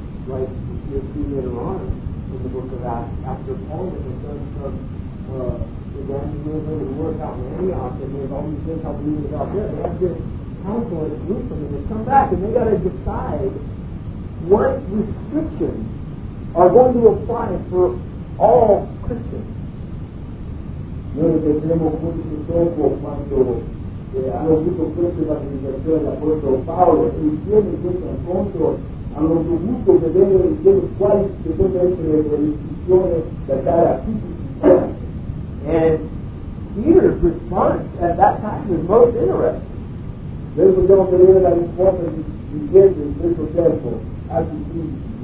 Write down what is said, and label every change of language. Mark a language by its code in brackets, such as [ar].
[en] Like you'll see later on in the book of Acts, after Paul has done some evangelism and work out in Antioch, and they have all these things I'll believe about there, they have this council at Jerusalem, and they come back and they gotta decide what restrictions are going to apply for all Christians. [it] Noi vedremo molto più dopo quando hanno avuto questa evangelizzazione l'apostolo Paolo e insieme in questo incontro hanno dovuto vedere insieme quali potrebbero essere le restrizioni da dare a tutti. [en] And Peter's response at that time is most interesting. [it] Noi vogliamo vedere la risposta di Pietro in questo tempo a tutti.